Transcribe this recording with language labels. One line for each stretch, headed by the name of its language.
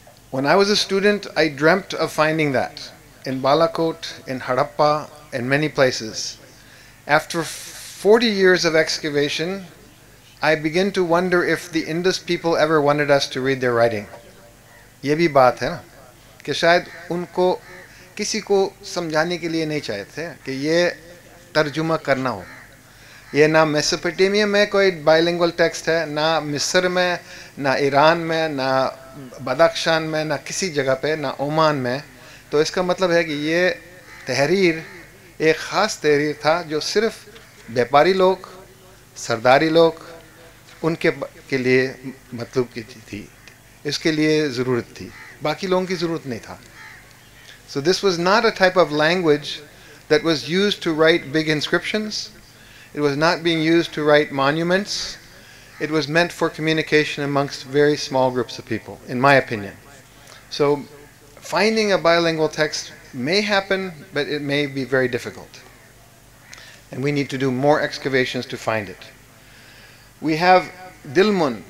English: When I was a student, I dreamt of finding that in Balakot, in Harappa, in many places. After 40 years of excavation, I begin to wonder if the Indus people ever wanted us to read their writing.
Hindi: ये भी बात है ना कि शायद उनको किसी को समझाने के लिए नहीं चाहते थे कि ये तर्जुमा करना हो. ये ना मेसोपोटामिया में कोई बायलिंगुअल टेक्स्ट है, ना मिस्र में, ना ईरान में, ना बदख्शान में, ना किसी जगह पे, ना ओमान में. तो इसका मतलब है कि ये तहरीर एक ख़ास तहरीर था जो सिर्फ व्यापारी लोग, सरदारी लोग, उनके के लिए मतलब की थी. इसके लिए ज़रूरत थी, बाकी लोगों की ज़रूरत नहीं था.
English: So this was not a type of language that was use to write big inscriptions. It was not being used to write monuments. It was meant for communication amongst very small groups of people, in my opinion. So finding a bilingual text may happen, but it may be very difficult. And we need to do more excavations to find it. We have Dilmun.